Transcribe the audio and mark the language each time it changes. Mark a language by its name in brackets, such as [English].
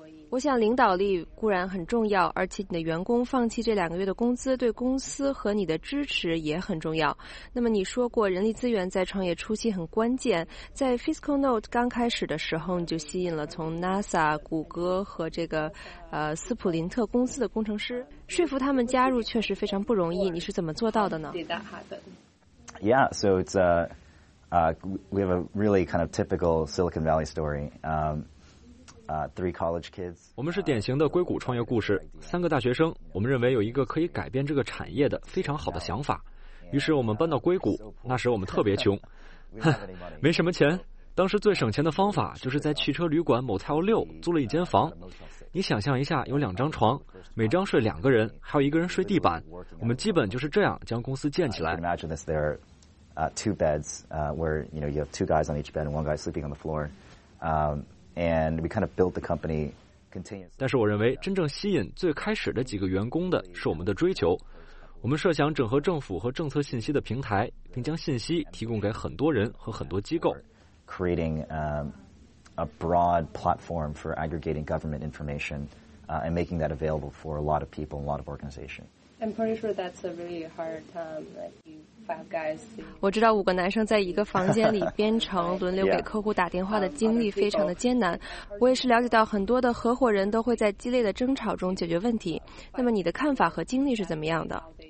[Chinese] 我想领导力固然很重要，而且你的员工放弃这2个月的工资对公司和你的支持也很重要。那么你说过人力资源在创业初期很关键，在 Fiscal Note 刚开始的时候你就吸引了从 NASA、 谷歌和这个斯普林特公司的工程师，说服他们加入确实非常不容易，你是怎么做到的呢？ [English] Yeah, so it's a we have a really kind of typical Silicon Valley story. Three college kids. [Chinese] 我们是典型的硅谷创业故事，三个大学生，我们认为有一个可以改变这个产业的非常好的想法，于是我们搬到硅谷。那时我们特别穷，没什么钱。当时最省钱的方法就是在汽车旅馆 Motel 6租了一间房。你想象一下，有2张床，每张睡2个人，还有一个人睡地板。我们基本就是这样将公司建起来。 [English] Two beds, where you know you have two guys on each bed and one guy sleeping on the floor, and we kind of built the company continuously. [Chinese] 但是我认为真正吸引最开始的几个员工的是我们的追求。我们设想整合政府和政策信息的平台，并将信息提供给很多人和很多机构。 [English] Creating a broad platform for aggregating government information and making that available for a lot of people and a lot of organizations. I'm pretty sure that's a really hard time. Five guys. [Chinese] 我知道5个男生在一个房间里编程轮流给客户打电话的经历非常的艰难，我也是了解到很多的合伙人都会在激烈的争吵中解决问题。那么你的看法和经历是怎么样的？